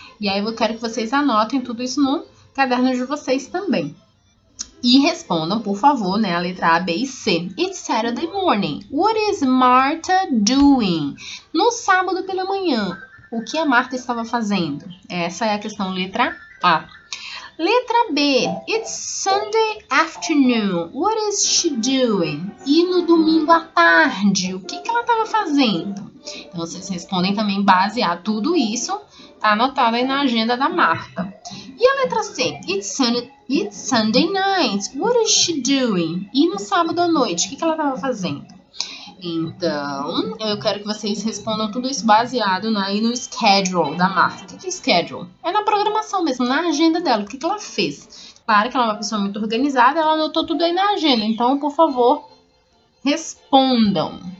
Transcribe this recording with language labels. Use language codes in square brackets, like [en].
[pt] E aí, eu quero que vocês anotem tudo isso no caderno de vocês também. E respondam, por favor, né, a letra A, B e C. [en] It's Saturday morning. What is Marta doing? [pt] No sábado pela manhã, o que a Marta estava fazendo? Essa é a questão letra A. Letra B, [en] it's Sunday afternoon, what is she doing? [pt] E no domingo à tarde, o que ela estava fazendo? Então, vocês respondem também baseado tudo isso, tá anotado aí na agenda da Marta. E a letra C, [en] it's Sunday night, what is she doing? [pt] E no sábado à noite, o que ela estava fazendo? Então, eu quero que vocês respondam tudo isso baseado aí no schedule da Marta. O que é schedule? É na programação mesmo, na agenda dela, o que ela fez. Claro que ela é uma pessoa muito organizada, ela anotou tudo aí na agenda. Então, por favor, respondam.